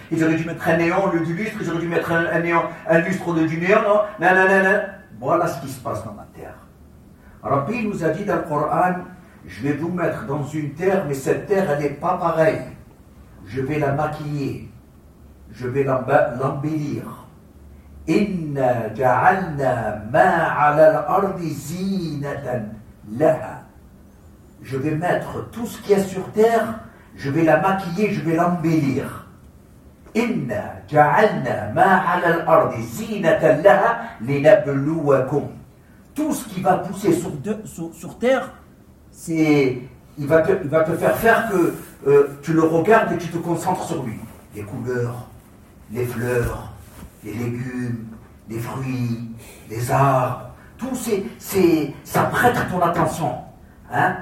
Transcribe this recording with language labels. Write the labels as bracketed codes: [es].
[fr] Ils auraient dû mettre un néon au lieu du lustre, ils auraient dû mettre un lustre au lieu du néon, non? Non, non, non, non. Voilà ce qui se passe dans la terre. Rabbi nous a dit dans le Coran, je vais vous mettre dans une terre, mais cette terre, elle n'est pas pareille. Je vais la maquiller, je vais l'embellir. [ar] إنا جعلنا ما على الأرض زينة لها. [fr] Je vais mettre tout ce qu'il y a sur terre, je vais la maquiller, je vais l'embellir. [ar] إنا جعلنا ما على الأرض زينة لها لنبلوكم. [fr] Tout ce qui va pousser sur, de, sur, sur terre, c'est, il va te faire faire que tu le regardes et tu te concentres sur lui. Les couleurs, les fleurs, les légumes, les fruits, les arbres, tout c'est, ça prête ton attention. Hein?